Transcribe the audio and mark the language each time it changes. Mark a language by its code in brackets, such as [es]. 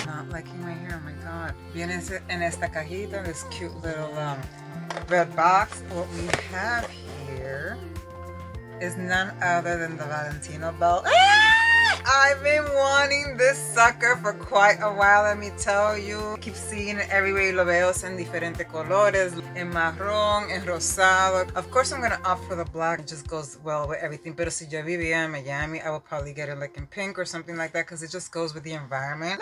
[en] Not liking my hair, oh my God. Viene en esta cajita, this cute little red box. What we have here is none other than the Valentino belt. I've been wanting this sucker for quite a while, let me tell you. I keep seeing it everywhere. [es] Lo veo en diferentes colores, en marrón, en rosado. [en] Of course, I'm gonna opt for the black. It just goes well with everything. Pero si yo vivía en Miami, I would probably get it like in pink or something like that, because it just goes with the environment.